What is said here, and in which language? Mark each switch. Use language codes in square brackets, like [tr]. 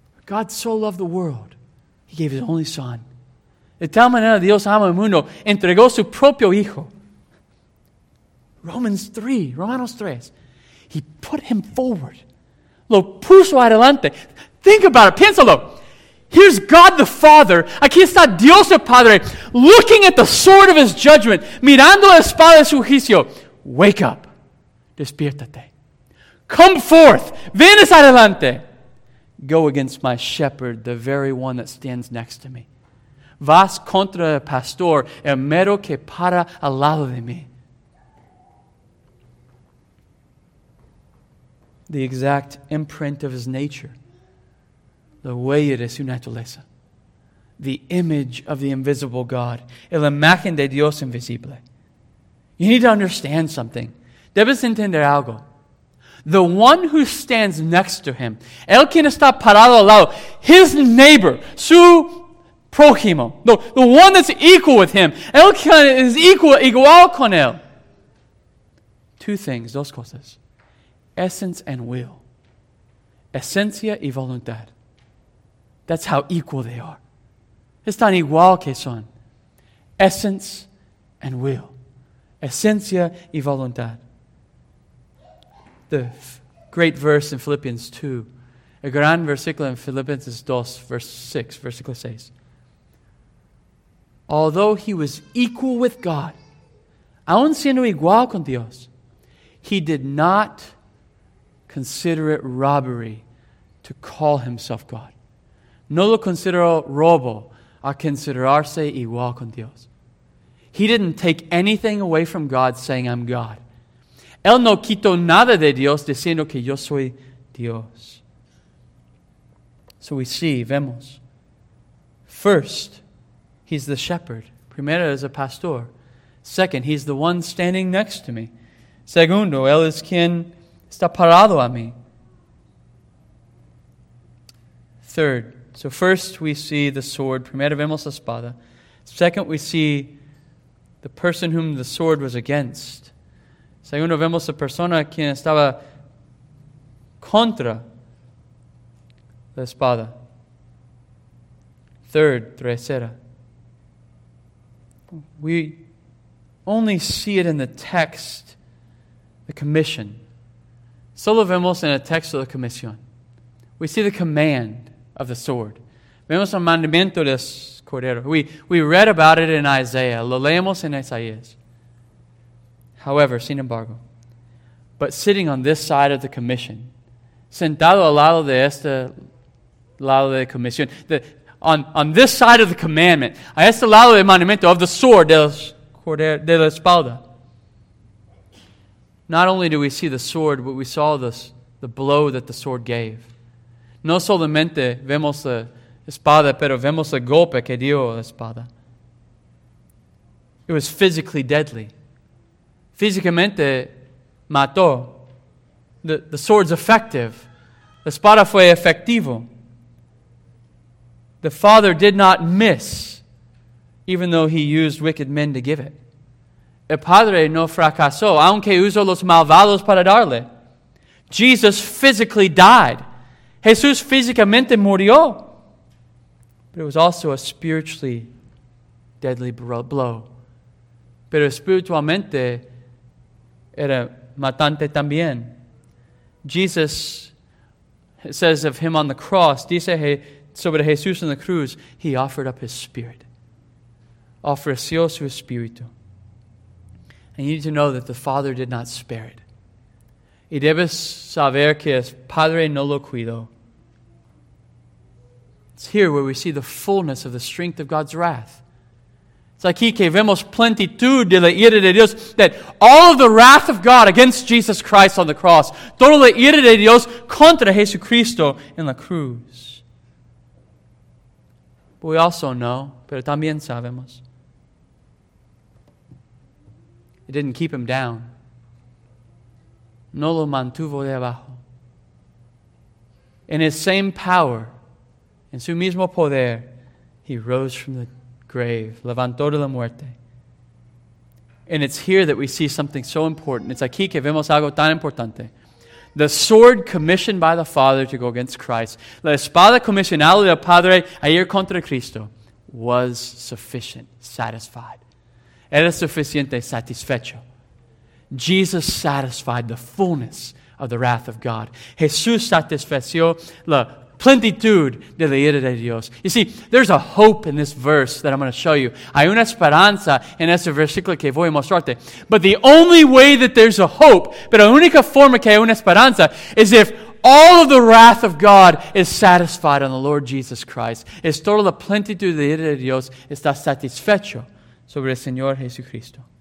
[en] God so loved the world, He gave His only Son. [es] De tal manera Dios ama el mundo, entregó su propio Hijo. [en] Romanos 3. He put Him forward. [es] Lo puso adelante. [en] Think about it. [es] Piénsalo. [en] Here's God the Father. [es] Aquí está Dios el Padre. [en] Looking at the sword of His judgment. [es] Mirando la espada de su juicio. [en] Wake up. [es] Despiértate. [en] Come forth. [es] Vienes adelante. [en] Go against my shepherd, the very one that stands next to me. [es] Vas contra el pastor, el mero que para al lado de mí. [en] The exact imprint of His nature. [es] La huella de su naturaleza. [en] The image of the invisible God. [es] La imagen de Dios invisible. [en] You need to understand something. [es] Debes entender algo. [en] The one who stands next to Him. [es] El quien está parado al lado. [en] His neighbor. [es] Su prójimo. [en] The one that's equal with Him. [es] El quien es igual con Él. [en] Two things. [es] Dos cosas. [en] Essence and will. [es] Esencia y voluntad. [en] That's how equal they are. [es] Es tan igual que son. [en] Essence and will. [es] Esencia y voluntad. [en] The great verse in Philippians 2. [es] El gran versículo en Filipenses 2, [en] verse 6, [es] versículo 6. [en] Although He was equal with God, [es] aun siendo igual con Dios, [en] He did not consider it robbery to call Himself God. [es] No lo consideró robo a considerarse igual con Dios. [en] He didn't take anything away from God saying, I'm God. [es] Él no quitó nada de Dios diciendo que yo soy Dios. [en] So we see, [es] vemos. [en] First, He's the shepherd. [es] Primero, es el pastor. [en] Second, He's the one standing next to me. [es] Segundo, Él es quien está parado a mí. [en] Third, so first we see the sword. [es] Primero vemos la espada. [en] Second, we see the person whom the sword was against. [es] Segundo vemos la persona quien estaba contra la espada. [en] Third, [es] tercera. [en] We only see it in the text, the commission. [es] Solo vemos en el texto la comisión. [en] We see the command of the sword. [es] Vemos el mandamiento del cordero. [en] We read about it in Isaiah. [es] Lo leemos en Isaías. [en] However, [es] sin embargo, [en] but sitting on this side of the commission, [es] sentado al lado de este lado de la comisión, [en] on this side of the commandment, [es] a este lado del mandamiento [en] of the sword [es] del cordero, de la espalda. [en] Not only do we see the sword, but we saw the blow that the sword gave. [es] No solamente vemos la espada, pero vemos el golpe que dio la espada. [en] It was physically deadly. [es] Físicamente mató. [en] The sword's effective. [es] La espada fue efectivo. [en] The Father did not miss, even though He used wicked men to give it. [es] El Padre no fracasó, aunque usó los malvados para darle. [en] Jesus physically died. [es] Jesús físicamente murió. [en] But it was also a spiritually deadly blow. [es] Pero espiritualmente era matante también. [en] Jesus says of Him on the cross, [es] dice sobre Jesús en la cruz, [en] He offered up His spirit. [es] Ofreció su espíritu. [en] And you need to know that the Father did not spare it. [es] Y debes saber que el Padre no lo cuidó. [en] It's here where we see the fullness of the strength of God's wrath. [es] It's aquí que vemos plenitud de la ira de Dios, [en] that all of the wrath of God against Jesus Christ on the cross, [es] toda la ira de Dios contra Jesucristo en la cruz. [en] But we also know, [es] pero también sabemos, [en] it didn't keep Him down. [es] No lo mantuvo debajo. [en] In His same power, [es] En su mismo poder, [en] he rose from the grave, [es] levantó de la muerte. [en] And it's here that we see something so important. [es] It's aquí que vemos algo tan importante. [en] The sword commissioned by the Father to go against Christ, [es] la espada comisionada del Padre a ir contra Cristo, [en] was sufficient, satisfied. [es] Era suficiente, satisfecho. [en] Jesus satisfied the fullness of the wrath of God. [es] Jesús satisfació la plenitud de la ira de Dios. [en] You see, there's a hope in this verse that I'm going to show you. [es] Hay una esperanza en este versículo que voy a mostrarte. [en] But the only way that there's a hope, [es] pero la única forma que hay una esperanza, [en] is if all of the wrath of God is satisfied on the Lord Jesus Christ. [es] Es toda la plenitud de la ira de Dios está satisfecho sobre el Señor Jesucristo.